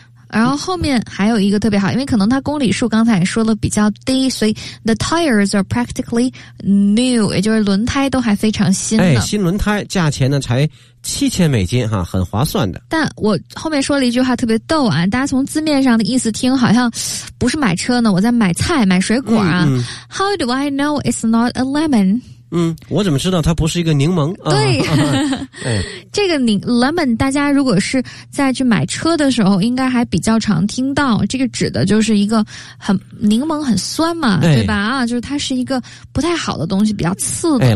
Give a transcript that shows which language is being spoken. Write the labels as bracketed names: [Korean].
[Chinese] 然后后面还有一个特别好，因为可能它公里数刚才说了比较低，所以 [English] the tires are practically new， [Chinese] 也就是轮胎都还非常新的。哎，新轮胎价钱呢才$7,000哈，很划算的。但我后面说了一句话特别逗啊，大家从字面上的意思听好像不是买车呢，我在买菜买水果啊。 [English] How do I know it's not a lemon？ [Chinese] 我怎么知道它不是一个柠檬？对，这个lemon 大家如果是在去买车的时候应该还比较常听到，这个指的就是一个很柠檬很酸嘛，对吧，就是它是一个不太好的东西，比较刺的，